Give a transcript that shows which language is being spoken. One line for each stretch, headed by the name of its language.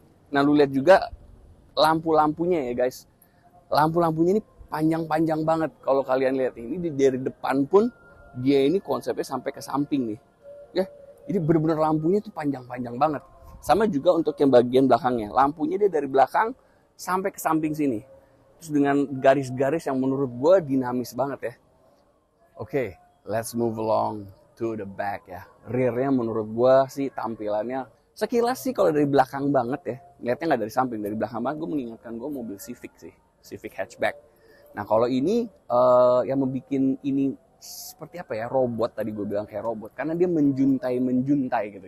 Indonesian: Nah, lu lihat juga lampu-lampunya ya, guys. Lampu-lampunya ini panjang-panjang banget kalau kalian lihat ini dari depan pun dia ini konsepnya sampai ke samping nih. Ya. Jadi benar-benar lampunya tuh panjang-panjang banget. Sama juga untuk yang bagian belakangnya. Lampunya dia dari belakang sampai ke samping sini. Terus dengan garis-garis yang menurut gue dinamis banget ya.
English: Oke, let's move along to the back
Indonesian: ya. Rear-nya menurut gue sih tampilannya. Sekilas sih kalau dari belakang banget ya. Lihatnya nggak dari samping, dari belakang banget. Gue mengingatkan gue mobil Civic sih. Civic hatchback. Nah kalau ini yang membuat ini seperti apa ya, robot tadi gue bilang kayak robot karena dia menjuntai gitu.